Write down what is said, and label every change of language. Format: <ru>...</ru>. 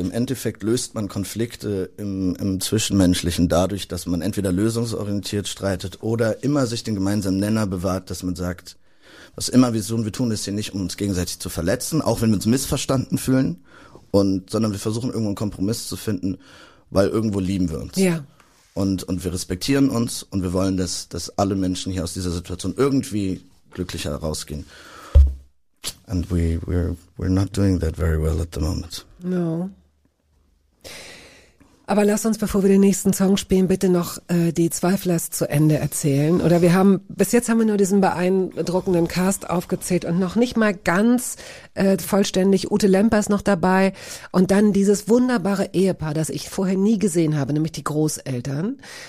<de>Im Endeffekt löst man Konflikte im Zwischenmenschlichen dadurch, dass man entweder lösungsorientiert streitet oder immer sich den gemeinsamen Nenner bewahrt, dass man sagt, was immer wir tun, ist hier nicht, um uns gegenseitig zu verletzen, auch wenn wir uns missverstanden fühlen, sondern wir versuchen irgendwo einen Kompromiss zu finden, weil irgendwo lieben wir uns. Ja. Und wir respektieren uns und wir wollen, dass alle Menschen hier aus dieser Situation irgendwie glücklicher rausgehen.</de> <en>And we're not doing that very well at the moment. No.</en> <de>Aber lass uns, bevor wir den nächsten Song spielen, bitte noch die Zweiflers zu Ende erzählen. Oder bis jetzt haben wir nur diesen beeindruckenden Cast aufgezählt und noch nicht mal ganz vollständig. Ute Lemper ist noch dabei. Und dann dieses wunderbare Ehepaar, das ich vorher nie gesehen habe, nämlich die Großeltern.</de>